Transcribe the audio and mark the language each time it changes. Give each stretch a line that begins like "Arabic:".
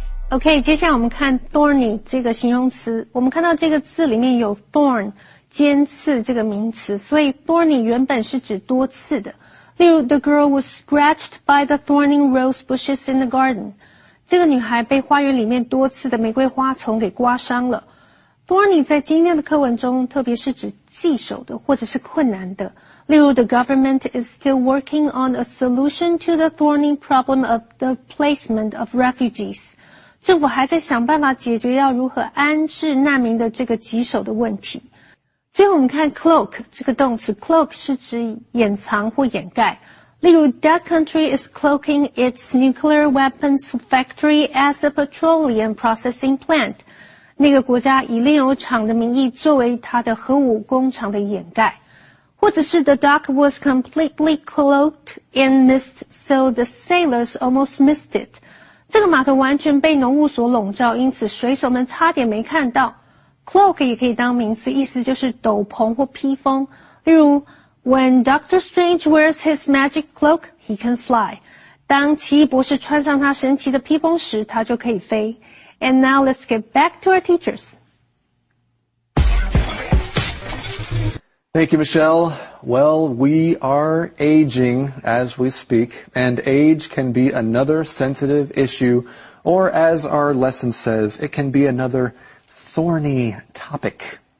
Chinese: OK, 接下来我们看 thorny 这个形容词。我们看到这个字里面有 thorn, 尖刺这个名词。所以 thorny 原本是指多刺的。
English: 例如 the girl was scratched by the thorny rose bushes in the garden.
Chinese: 这个女孩被花园里面多刺的玫瑰花丛给刮伤了。 thorny 在今天的课文中特别是指棘手的或者是困难的。
English: 例如 the government is still working on a solution to the thorny problem of the placement of refugees.
Chinese: 政府还在想办法解决要如何安置难民的这个棘手的问题。最后我们看 cloak 这个动词 cloak 是指掩藏或掩盖。
English: 例如 That country is cloaking its nuclear weapons factory as a petroleum processing plant.
Chinese: 那个国家以炼油厂的名义作为它的核武工厂的掩盖。
English: 或者是 The dock was completely cloaked in mist so the sailors almost missed it.
Chinese: 这个码头完全被浓雾所笼罩，因此水手们差点没看到。 Cloak 也可以当名词，意思就是斗篷或披风。
English: 例如 When Doctor Strange wears his magic cloak, he can fly.
Chinese: 当奇异博士穿上他神奇的披风时，他就可以飞。
English: And now let's get back to our teachers. Thank you, Michelle. Well, we are aging as we speak, and age can be another sensitive issue, or as our lesson says, it can be another thorny topic.